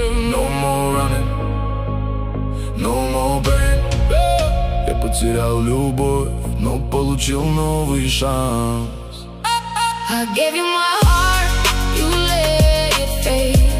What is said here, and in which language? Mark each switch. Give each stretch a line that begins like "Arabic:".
English: No more running, no more pain.
Russian: Я потерял любовь, но получил новый шанс.
English: I gave you my heart, you let it fade.